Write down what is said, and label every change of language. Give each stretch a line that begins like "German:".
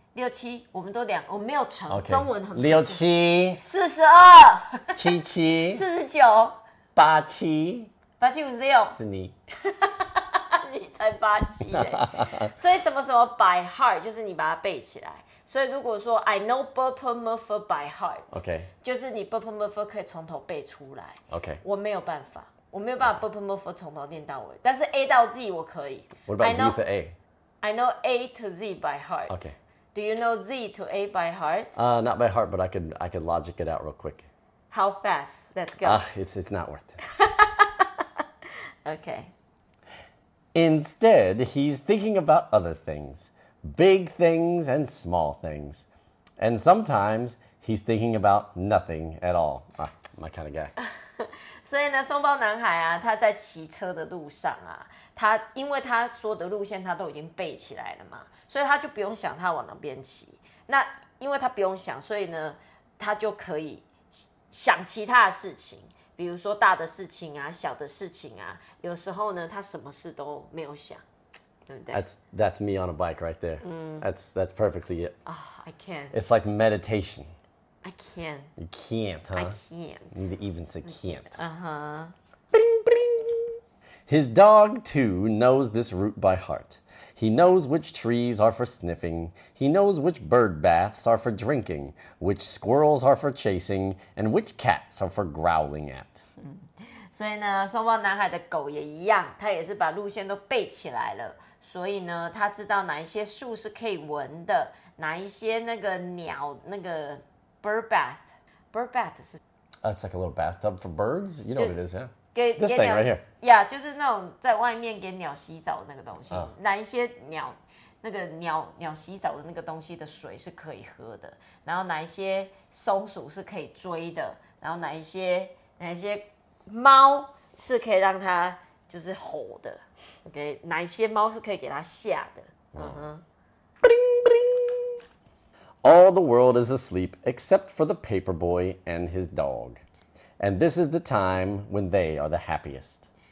Chinese: 六七，我们都两，我没有乘，
English: okay.
Chinese: 中文很不行。六七，四十二，七七，四十九，八七，八七五十六，是你，你才八七耶。所以什么什么 by heart 就是你把它背起来。
English: 所以如果说 I know purple muffle by heart， OK，
Chinese: 就是你 purple muffle 可以从头背出来，
English: OK，
Chinese: 我没有办法，我没有办法 purple muffle 从头念到尾，但是 A 到 Z 我可以。
English: What about Z to A？ I know A to Z by heart， OK。 Do you know Z to A by heart? Not by heart, but I could logic it out real quick. How fast? Let's go. It's not worth it. Okay. Instead, he's thinking about other things, big things and small things. And sometimes he's thinking about nothing at all. My kind of guy.
Chinese: 所以呢，松包男孩啊，他在骑车的路上啊，他因为他说的路线他都已经背起来了嘛，所以他就不用想他往哪边骑。那因为他不用想，所以呢，他就可以想其他的事情，比如说大的事情啊，小的事情啊。有时候呢，他什么事都没有想，对不对
English: ？That's me on a bike right there. That's perfectly it. I can't. It's like meditation. I can't. You can't, huh? I can't. You need to even say can't. Uh-huh. Bring, bring. His dog, too, knows this route by heart. He knows which trees are for sniffing. He knows which bird baths are for drinking, which squirrels are for chasing, and which cats are for growling at.
Chinese: 所以呢，松包男孩的狗也一样，他也是把路线都背起来了。所以呢，他知道哪一些树是可以闻的，哪一些那个鸟，那个 bird bath， bird bath 是。
English: It's like a little bathtub for birds. You know what it is, yeah.
Chinese: 给
English: 这 thing right here.
Chinese: Yeah, 就是那种在外面给鸟洗澡那个东西。哪一些鸟，那个鸟洗澡的那个东西的水是可以喝的，然后哪一些松鼠是可以追的，然后哪一些猫是可以让它就是吼的 ，OK， 哪一些猫是可以给它吓的？嗯哼
English: ，bling All the world is asleep except for the paper boy and his dog, and this is the time when they are the happiest.